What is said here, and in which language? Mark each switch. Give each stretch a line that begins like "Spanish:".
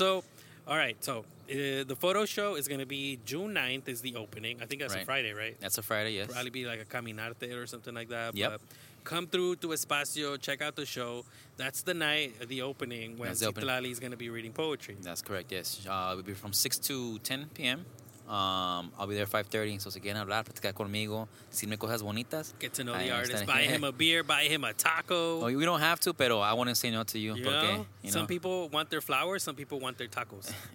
English: So, all right, so the photo show is going to be June 9th is the opening. I think that's a Friday, right? That's a Friday, yes. Probably be like a caminarte or something like that. Yep. But come through to Espacio, check out the show. That's the night, the opening, when Citlali is going to be reading poetry. That's correct, yes. It'll be from 6 to 10 p.m. I'll be there 5:30.
Spanish: So, si quieren hablar, platicar conmigo, decirme cosas bonitas.
English: Get to know the artist. Buy him a beer. Buy him a taco. Oh, we don't have to, pero I want to say no to you. Some people want their flowers. Some people want their tacos.